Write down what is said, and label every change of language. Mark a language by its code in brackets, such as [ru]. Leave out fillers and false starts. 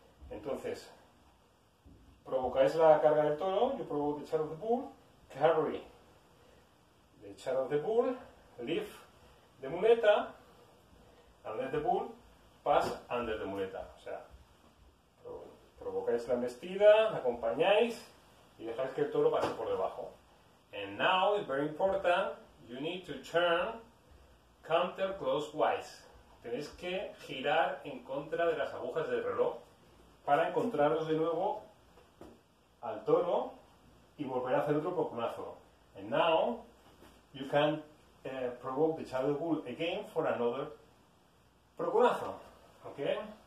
[en] Entonces, provocáis la carga del toro, yo provoco the charge of the bull, carry the charge of the bull, lift the muleta, and let the bull pass under the muleta. [es] O sea, provocáis la embestida, acompañáis y dejáis que el toro pase por debajo. [en] And now, it's very important, you need to turn counterclockwise. [es] Tenéis que girar en contra de las agujas del reloj para encontraros de nuevo al toro y volver a hacer otro procunazo. [en] And now, you can provoke the charge of the bull again for another procunazo. Okay.